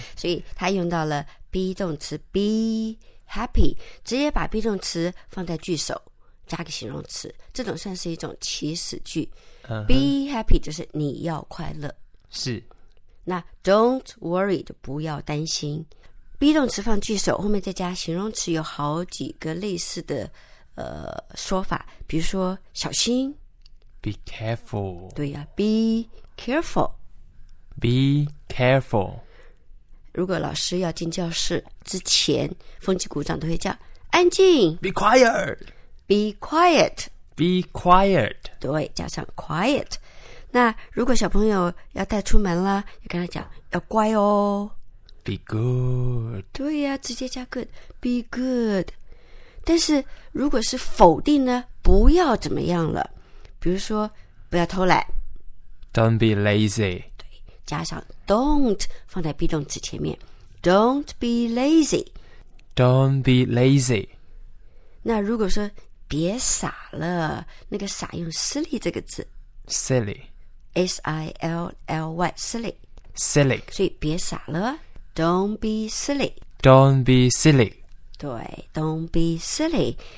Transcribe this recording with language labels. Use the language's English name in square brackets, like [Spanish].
[Chinese] 所以他用到了 be 动词 [English] be happy， [Chinese] 直接把 be 动词放在句首，加个形容词，这种算是一种祈使句。 [English] Be happy [Chinese] 就是你要快乐。是，那 [English] don't worry [Chinese] 就不要担心。be 动词放句首，后面再加形容词，有好几个类似的说法，比如说小心 [English] ，be careful。 [Chinese] 对呀、啊、， [English] be careful。 be careful。 [Chinese] 如果老师要进教室之前，风纪股长都会叫安静 [English] ，be quiet。 be quiet。 be quiet。 [Chinese] 对，加上 quiet。那如果小朋友要带出门了，要跟他讲要乖哦 [English] ，be good。 [Chinese] 对呀、啊，直接加 good， [English] be good。 [Chinese] 但是如果是否定呢，不要怎么样了，比如说不要偷懒 [English] ，don't be lazy。 [Chinese] 对，加上 don't 放在 be 动词前面 ， [English] don't be lazy。 don't be lazy。 [Chinese] 那如果说别傻了，那个傻用 silly 这个字 [English] ，silly。 S-I-L-L-Y, silly. Silly. [Chinese] 所以别傻了。 [English] Don't be silly. Don't be silly. [Chinese] 对 [English] ,don't be silly.